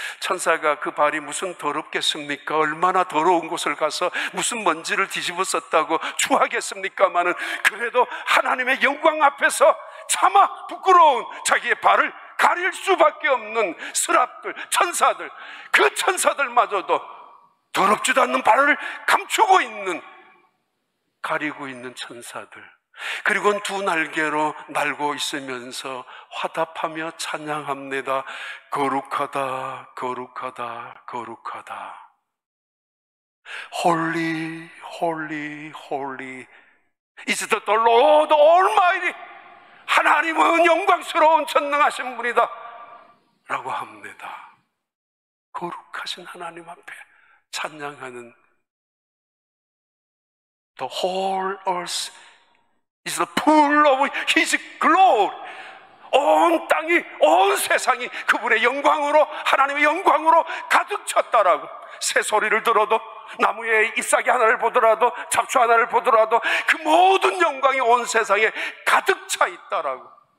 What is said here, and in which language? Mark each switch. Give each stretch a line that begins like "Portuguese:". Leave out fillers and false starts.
Korean: 천사가 그 발이 무슨 더럽겠습니까? 얼마나 더러운 곳을 가서 무슨 먼지를 뒤집어 썼다고 추하겠습니까마는 그래도 하나님의 영광 앞에서 차마 부끄러운 자기의 발을 가릴 수밖에 없는 스랍들, 천사들, 그 천사들마저도 더럽지도 않는 발을 감추고 있는, 가리고 있는 천사들. 그리고는 두 날개로 날고 있으면서 화답하며 찬양합니다. 거룩하다 거룩하다 거룩하다.
English: Holy holy holy is the Lord Almighty.
Korean: 하나님은 영광스러운 전능하신 분이다 라고 합니다. 거룩하신 하나님 앞에 찬양하는
English: The whole earth is the pool of His glory.
Korean: 온 땅이, 온 세상이 그분의 영광으로, 하나님의 영광으로 가득 찼다라고. 새 소리를 들어도, 나무의 잎사귀 하나를 보더라도, 잡초 하나를 보더라도 그 모든 영광이 온 세상에 가득 차 있다라고.